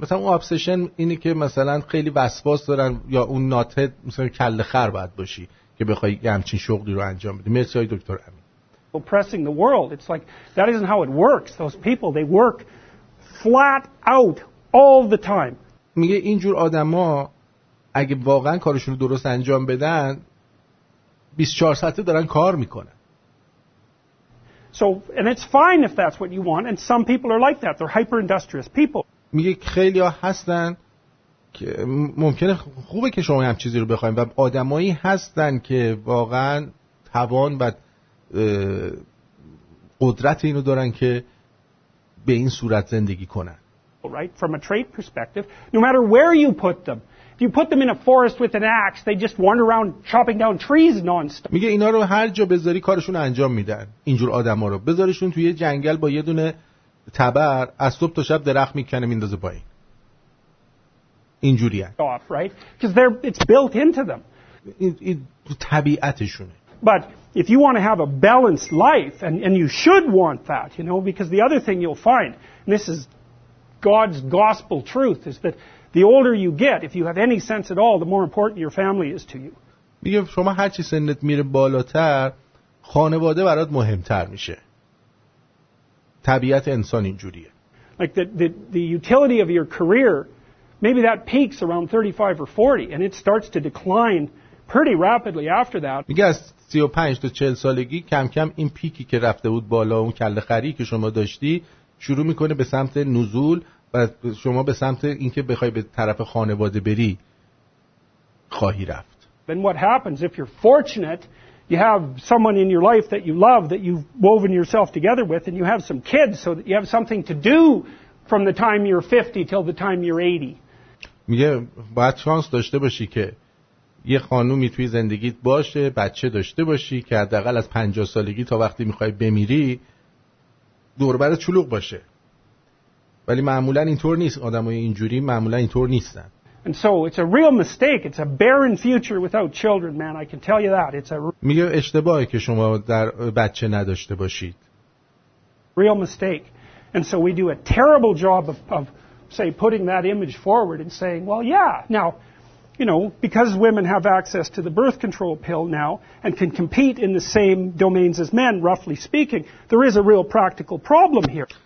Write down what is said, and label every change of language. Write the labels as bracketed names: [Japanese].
[Persian] مثلا اون ابسشن اینه که مثلا خیلی وسواس دارن، یا اون ناتد مثلا کله خر باید باشی که بخوای همچین شغلی رو انجام بدی. مرسی های دکتر امین. [English] Oppressing the world. It's like that isn't how it works. Those people, they work flat out all the time. [Persian] میگه اینجور آدم ها اگه واقعا کارشون رو درست انجام بدن 24 ساعته دارن کار میکنن. [English] So, and it's fine if that's what you want, and some people are like that. They're hyper-industrious people. [Persian] میگه خیلی ها هستن که ممکنه خوبه که شما هم چیزی رو بخواییم و آدمایی هستن که واقعا توان و قدرت اینو دارن که به این صورت زندگی کنن. [English] Right, from a trade perspective, no matter where you put them, if you put them in a forest with an axe, they just wander around chopping down trees nonstop. [Persian] میگه اینا رو هر جا بذاری کارشون انجام میدن. اینجور آدم ها رو بذاریشون توی جنگل با یه دونه تبر از صبح تا شب درخت میکنه میندازه پایین. اینجوری هست. [English] Off, right? Because they're it's built into them. [Persian] این طبیعتشونه. [English] But if you want to have a balanced life, and you should want that, you know, because the other thing you'll find, and this is God's gospel truth, is that the older you get, if you have any sense at all, the more important your family is to you. [Persian] میگه شما هر چی سنت میره بالاتر خانواده برات مهمتر میشه. طبیعت انسان اینجوریه. [English] Like the utility of your career, maybe that peaks around 35 or 40 and it starts to decline pretty rapidly after that. [Persian] میگه از 35 تا 40 سالگی کم کم این پیکی که رفته بود بالا اون کله خری که شما داشتی شروع میکنه به سمت نزول و شما به سمت اینکه بخوای به طرف خانواده بری خواهی رفت. [English] Then what happens if you're fortunate, you have someone in your life that you love that you've woven yourself together with and you have some kids so that you have something to do from the time you're 50 till the time you're 80. [Persian] میگه باید شانس داشته باشی که یه خانومی توی زندگیت باشه، بچه داشته باشی که حداقل از 50 سالگی تا وقتی میخوای بمیری دور برات چلوغ باشه. ولی معمولا اینطور نیست. آدمای اینجوری معمولا اینطور نیستن. [English] And so it's a real mistake. It's a barren future without children, man. I can tell you that. It's a [Persian] میگه اشتباهی که شما در بچه نداشته باشید. [English] Real mistake. And so we do a terrible job of say putting that image forward and saying, well, yeah. Now, you know, because women have access to the birth control pill now and can compete in the same domains as men, roughly speaking, there is a real practical problem here.